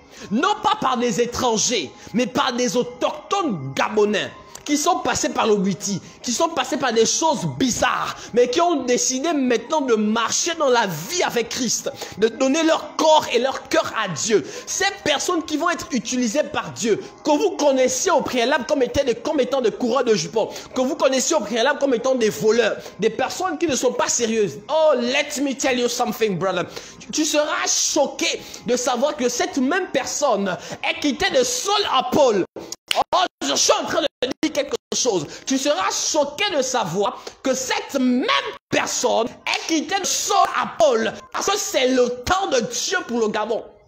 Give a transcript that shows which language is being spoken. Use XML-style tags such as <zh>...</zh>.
<fr>Non pas par des étrangers, mais par des autochtones gabonais qui sont passés par le Witi, qui sont passés par des choses bizarres, mais qui ont décidé maintenant de marcher dans la vie avec Christ, de donner leur corps et leur cœur à Dieu. Ces personnes qui vont être utilisées par Dieu, que vous connaissiez au préalable comme étant des coureurs de jupons, que vous connaissiez au préalable comme étant des voleurs, des personnes qui ne sont pas sérieuses.</fr> <en>Oh, let me tell you something, brother.</en> <fr>Tu seras choqué de savoir que cette même personne est quittée de Saul à Paul. Oh, je suis en train de dire quelque chose. Tu seras choqué de savoir que cette même personne est quittée de Saul à Paul. Parce que c'est le temps de Dieu pour le Gabon.</fr>